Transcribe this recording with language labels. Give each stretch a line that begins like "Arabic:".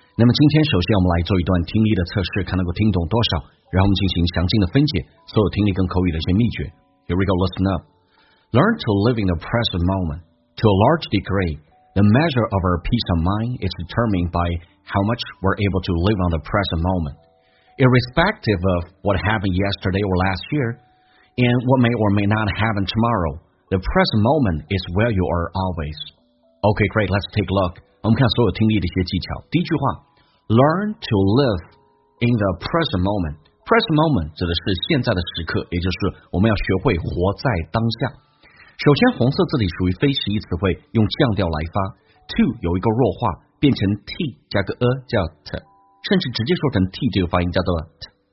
Chinese: 那么今天首先我们来做一段听力的测试，看能够听懂多少，然后我们进行详尽的分解所有听力跟口语的一些秘诀。
English: Here we go, listen up. Learn to live in the present moment. To a large degree, the measure of our peace of mind is determined by how much we're able to live on the present moment, irrespective of what happened yesterday or last year, and what may or may not happen tomorrow. The present moment is where you are always. Okay, great. Let's take a look.
Chinese: 我们看所有听力的一些技巧。第一句话
English: ，learn to live in the present moment.
Chinese: Present moment 指的是现在的时刻，也就是我们要学会活在当下。首先，红色字体属于非实义词汇，用降调来发。 To 有一个弱化，变成 t 加个 a 叫 t， 甚至直接说成 t 这个发音叫做 t。